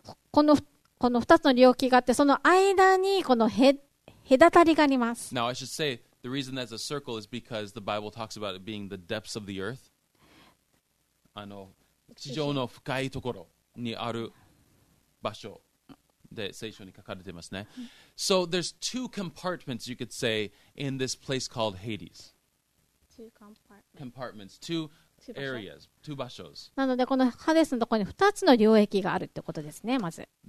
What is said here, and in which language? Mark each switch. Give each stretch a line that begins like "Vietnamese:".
Japanese: この2つの領域があって、その間にこの隔たりがあります。
English: Now, I should say, the reason that's a circle is because the Bible talks about it being the depths of the earth.
Japanese: 地上の深いところにある場所で聖書に書かれていますね。
English: So there's two compartments you could say in this place called Hades. Two compartments. Compartments, two areas, two 場所.
Japanese: なのでこのハデスのところに2つの領域があるってことですね。まず。